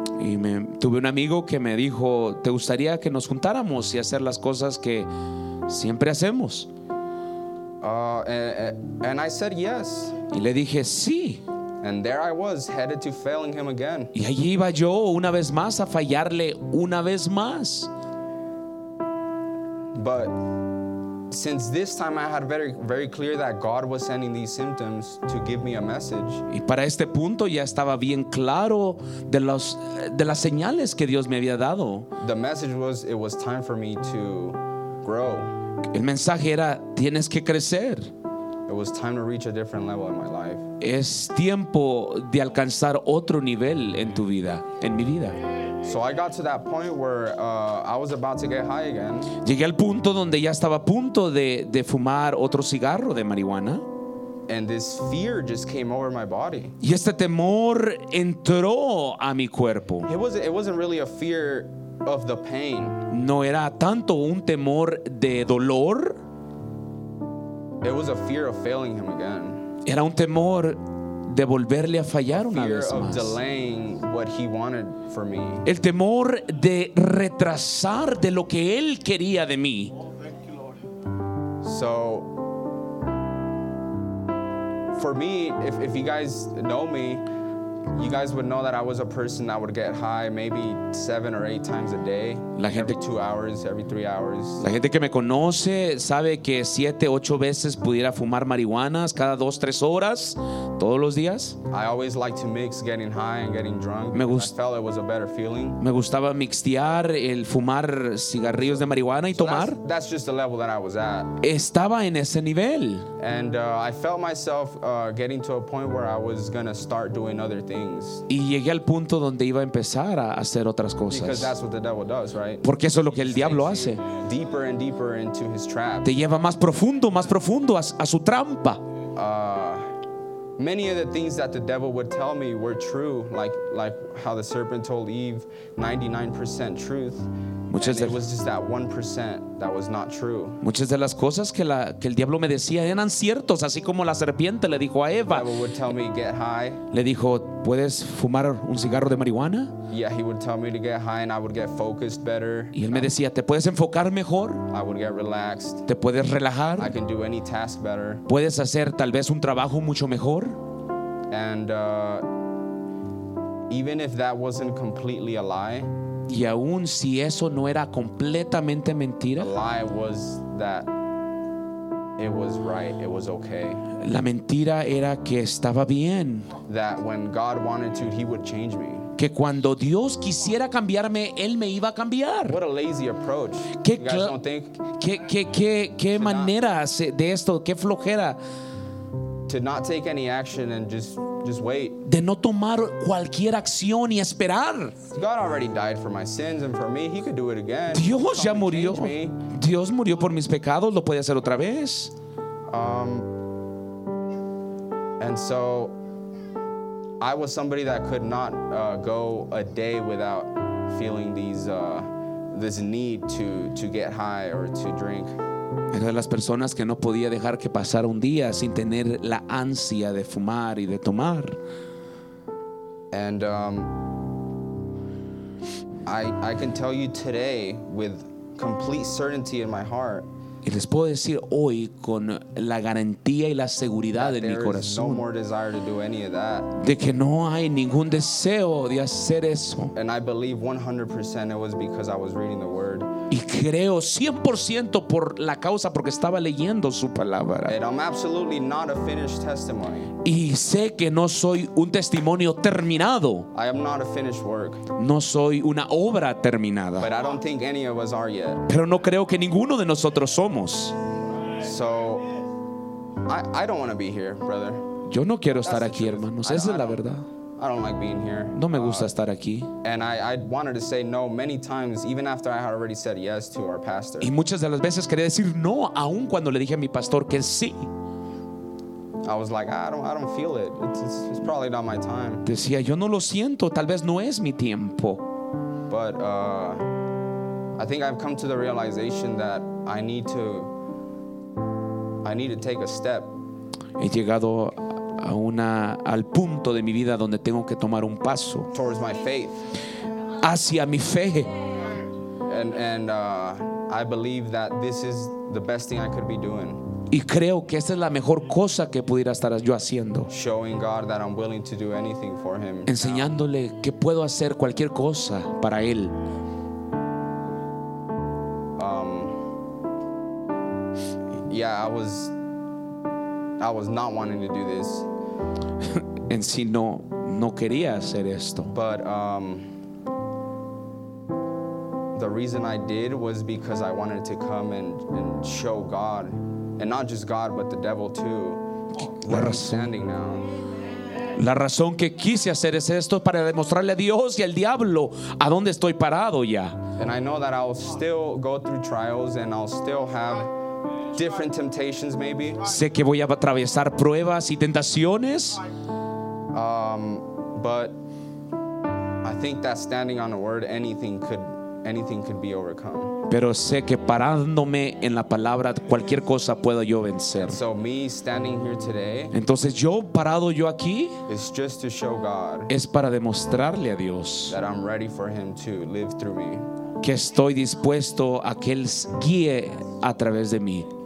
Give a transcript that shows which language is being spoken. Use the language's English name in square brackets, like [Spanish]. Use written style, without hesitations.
[Spanish] Y tuve un amigo que me dijo, ¿te gustaría que nos juntáramos y hacer las cosas que siempre hacemos? [English] And I said yes. [Spanish] Y le dije sí. [English] And there I was, headed to failing him again. [Spanish] Y allí iba yo una vez más a fallarle una vez más. [English] But since this time I had very, very clear that God was sending these symptoms to give me a message. [Spanish] Y para este punto ya estaba bien claro de las señales que Dios me había dado. [English] The message was, it was time for me to grow. [Spanish] El mensaje era, tienes que crecer. [English] It was time to reach a different level in my life. [Spanish] Es tiempo de alcanzar otro nivel en tu vida, en mi vida. [English] So I got to that point where I was about to get high again. [Spanish] Llegué al punto donde ya estaba a punto de fumar otro cigarro de marihuana. [English] And this fear just came over my body. [Spanish] Y este temor entró a mi cuerpo. [English] It wasn't really a fear of the pain. [Spanish] No era tanto un temor de dolor. [English] It was a fear of failing him again. [Spanish] Era un temor de volverle a fallar una [English] fear [Spanish] vez [English] of [Spanish] más. [English] Delaying what he wanted for me. [Spanish] El temor de retrasar de lo que él quería de mí. [English] So for me, if you guys know me, you guys would know that I was a person that would get high maybe 7 or 8 times a day. [Spanish] La gente, [English] every 2 hours, every 3 hours. [Spanish] La gente que me conoce sabe que 7, 8 veces pudiera fumar marihuana cada 2, 3 horas, todos los días. [English] I always liked to mix getting high and getting drunk. I felt it was a better feeling. [Spanish] Me gustaba mixtear el fumar cigarrillos de marihuana y [English] so [Spanish] tomar. [English] That's just the level that I was at. [Spanish] Estaba en ese nivel. [English] And I felt myself getting to a point where I was going to start doing other things. [Spanish] Y llegué al punto donde iba a empezar a hacer otras cosas. [English] Because that's what the devil does, right? [Spanish] Porque eso es lo que el diablo hace. [English] Deeper and deeper into his trap. [Spanish] Te lleva más profundo a su trampa. [English] many of the things that the devil would tell me were true, like how the serpent told Eve 99% truth. [Spanish] Muchas [English] and it was just that 1% that was not true. [Spanish] Muchas de las cosas que el diablo me decía eran ciertos, así como la serpiente le dijo a Eva. [English] The devil would tell me get high. [Spanish] Le dijo, ¿puedes fumar un cigarro de marihuana? [English] Yeah, he would tell me to get high and I would get focused better. [Spanish] Y él me decía, ¿te puedes enfocar mejor? [English] I would get relaxed. [Spanish] ¿Te puedes relajar? [English] I can do any task better. [Spanish] ¿Puedes hacer tal vez un trabajo mucho mejor? [English] And even if that wasn't completely a lie, [Spanish] y aún si eso no era completamente mentira, [English] the lie was that it was right, it was okay. [Spanish] La mentira era que estaba bien. [English] That when God wanted to, he would change me. [Spanish] Que cuando Dios quisiera cambiarme, él me iba a cambiar. [English] What a lazy approach. [Spanish] ¿Qué manera de esto? ¿Qué flojera? [English] To not take any action and just wait. [Spanish] De no tomar cualquier acción y esperar. [English] God already died for my sins and for me. He could do it again. [Spanish] Dios ya murió. Dios murió por mis pecados. Lo puede hacer otra vez. [English] And so I was somebody that could not go a day without feeling this need to get high or to drink. [Spanish] Era de las personas que no podía dejar que pasara un día sin tener la ansia de fumar y de tomar. [English] And I can tell you today with complete certainty in my heart. [Spanish] Y les puedo decir hoy con la garantía y la seguridad en mi corazón, [English] no more desire to do any of that. [Spanish] De que no hay ningún deseo de hacer eso. [English] And I believe 100% it was because I was reading the word. [Spanish] Y creo 100% por la causa porque estaba leyendo su palabra. [English] And I'm absolutely not a finished testimony. [Spanish] Y sé que no soy un testimonio terminado. [English] I am not a finished work. [Spanish] No soy una obra terminada. [English] But I don't think any of us are yet. [Spanish] Pero no creo que ninguno de nosotros somos. [English] So, I don't want to be here, brother. [Spanish] Yo no quiero estar aquí, hermanos. Esa es la verdad. [English] I don't like being here. [Spanish] No me gusta estar aquí. [English] And I wanted to say no many times, even after I had already said yes to our pastor. [Spanish] Y muchas de las veces quería decir no, aun cuando le dije a mi pastor que sí. [English] I was like, I don't feel it. It's probably not my time. [Spanish] Decía, yo no lo siento. Tal vez no es mi tiempo. [English] But I think I've come to the realization that I need to take a step. [Spanish] He llegado a una al punto de mi vida donde tengo que tomar un paso. [English] Towards my faith. [Spanish] Hacia mi fe. [English] And I believe that this is the best thing I could be doing. [Spanish] Y creo que esta es la mejor cosa que pudiera estar yo haciendo. [English] Showing God that I'm willing to do anything for him. [Spanish] Enseñándole [English] now. [Spanish] Que puedo hacer cualquier cosa para él. [English] Yeah, I was not wanting to do this. [Spanish] En sí no quería hacer esto. [English] But the reason I did was because I wanted to come and show God, and not just God, but the devil too. We're standing now. [Spanish] La razón que quise hacer es esto para demostrarle a Dios y al diablo a dónde estoy parado ya. [English] And I know that I'll still go through trials and I'll still have different temptations, maybe. [Spanish] Sé que voy a atravesar pruebas y tentaciones. [English] But I think that standing on a word, anything could be overcome. [Spanish] Pero sé que parándome en la palabra, cualquier cosa puedo yo vencer. [English] So me standing here today. [Spanish] Entonces yo parado yo aquí. [English] Is just to show God. [Spanish] Es para demostrarle a Dios. [English] That I'm ready for Him to live through me. [Spanish] Que estoy dispuesto a que él guíe a través de mí.